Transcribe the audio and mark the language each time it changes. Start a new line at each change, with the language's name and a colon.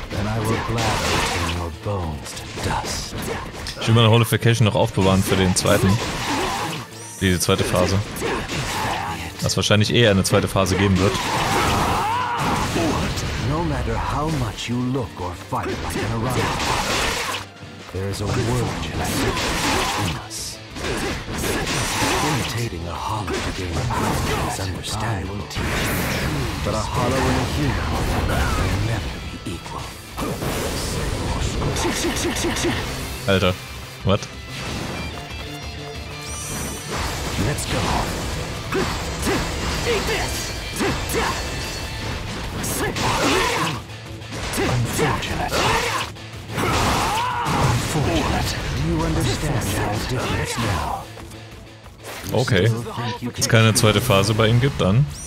English: Then I will gladly turn your bones to dust.
German: Ich will meine Holification noch aufbewahren für den zweiten. Diese zweite Phase. Was wahrscheinlich eher eine zweite Phase geben wird.
English: No matter how much you look or fight like an Arana, there is a world in us. Imitating a hollow to gain power is understandable. But a hollow in a human will never be equal. Alter, what? Let's go. unfortunate. You understand how it is now.
German: Okay, es ist keine zweite Phase bei ihm gibt, dann.